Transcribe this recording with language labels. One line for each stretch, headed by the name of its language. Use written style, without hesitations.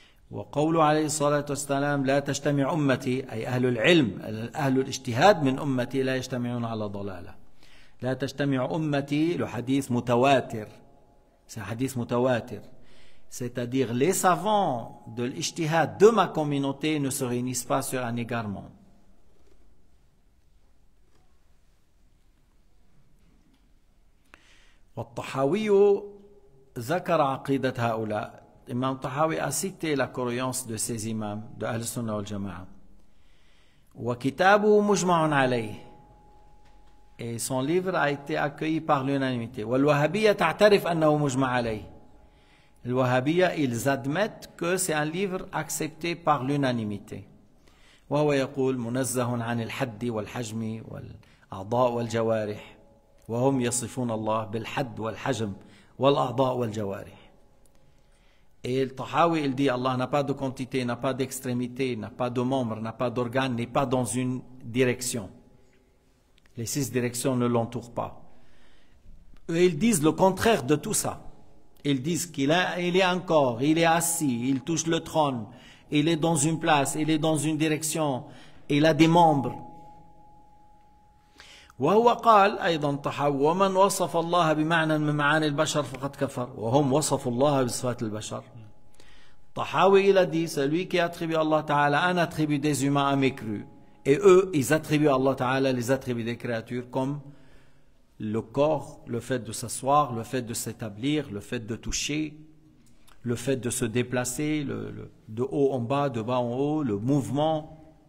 Arabic: وقوله عليه الصلاة والسلام لا تجتمع أمتي، أي أهل العلم أهل الاجتهاد من أمتي لا يجتمعون على ضلالة، لا تجتمع أمتي لحديث متواتر، حديث متواتر
French: c'est-à-dire les savants de l'ijtihad de ma communauté ne se réunissent pas sur un égarement.
Arabic: والطحاوي ذكر عقيدة هؤلاء.
French: إمام الطحاوي a cité la croyance de ces imams de أهل السنة والجماعة.
Arabic: وكتابه مجمع عليه.
French: Et son livre a été accueilli par l'unanimité.
Arabic: والوهابية تعترف أنه مجمع عليه.
French: الوهابية ils admettent que c'est un livre accepté par l'unanimité.
Arabic: وهو يقول منزه عن الحد والحجم والأعضاء والجوارح، وهم يصفون الله بالحد والحجم والأعضاء والجوارح.
French: Et le Tahawi il dit Allah n'a pas de quantité, n'a pas d'extrémité, n'a pas de membre, n'a pas d'organe, n'est pas dans une direction. Les six directions ne l'entourent pas. Et ils disent le contraire de tout ça. Ils disent qu'il a, il est encore, il est assis, il touche le trône, il est dans une place, il est dans une direction, il a des membres.
Arabic: وهو قال أيضا طحاوي ومن وصف الله بمعنى من معاني البشر فقد كفر، وهم وصفوا الله بصفات البشر.
French: طحاوي il a dit celui qui attribue Allah Ta'ala un attribut des humains à mes crus et eux ils attribuent Allah Ta'ala les attributs des créatures comme le corps, le fait de s'asseoir, le fait de s'établir, le fait de toucher, le fait de se déplacer, de haut en bas, de bas en haut, le mouvement.